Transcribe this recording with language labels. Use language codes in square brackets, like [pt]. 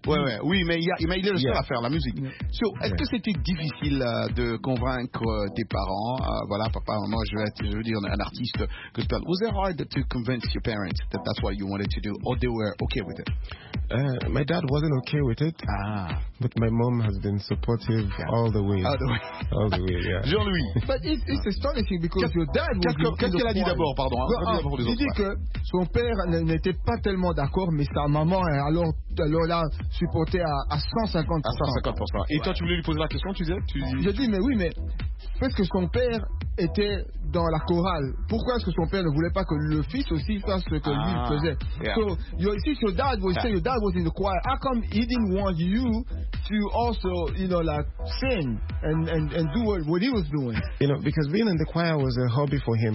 [fr] Il est le seul à faire la musique. Yeah. So, est-ce que c'était difficile de convaincre tes parents? Voilà, papa, maman, je veux dire un artiste. [en] Was it hard to convince your parents that that's what you wanted to do, or they were okay with it? My dad wasn't okay with it. Ah. But my mom has been supportive all the way. All the way. All the way. Yeah. Jean-Louis. But it's astonishing because your dad was... [fr] Qu'est-ce qu'elle a dit d'abord, pardon? Il dit que son père n'était pas tellement d'accord, mais sa maman alors l'a supporté à 150%. À 150%. Et toi, tu voulais lui poser la question, tu disais? Mais parce que son père était dans la chorale. Pourquoi est-ce que son père ne voulait pas que le fils aussi fasse ce que lui faisait? [en] Yeah. So, your dad was saying, your dad was in the choir. How come he didn't want you to also, you know, like, sing and do what he was doing? You know, because being in the choir was a hobby for him.